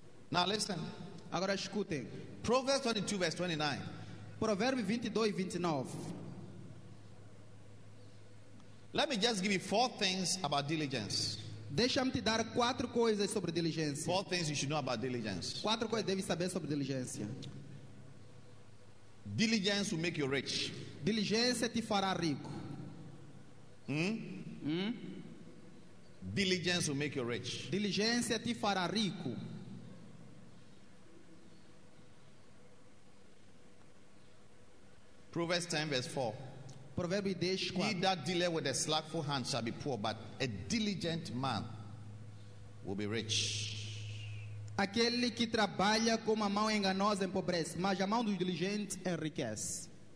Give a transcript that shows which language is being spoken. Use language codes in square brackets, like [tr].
[en] Now listen. [pt] Agora escutem. [en] Proverbs 22, verse 29. [pt] Provérbios 22, 29. [en] Let me just give you four things about diligence. [pt] Deixa-me te dar quatro coisas sobre diligência. [en] Four things you should know about diligence. [pt] Quatro coisas deve saber sobre diligência. [en] Diligence will make you rich. [pt] Diligência te fará rico. [en] Diligence will make you rich. [pt] Diligência te fará rico. [en] Proverbs 10 verse 4. [pt] Provérbio 10, 4. [en] He that dealeth with a slackful hand shall be poor, but a diligent man will be rich. [pt] Aquele que trabalha com uma mão enganosa empobrece, mas a mão do diligente enriquece.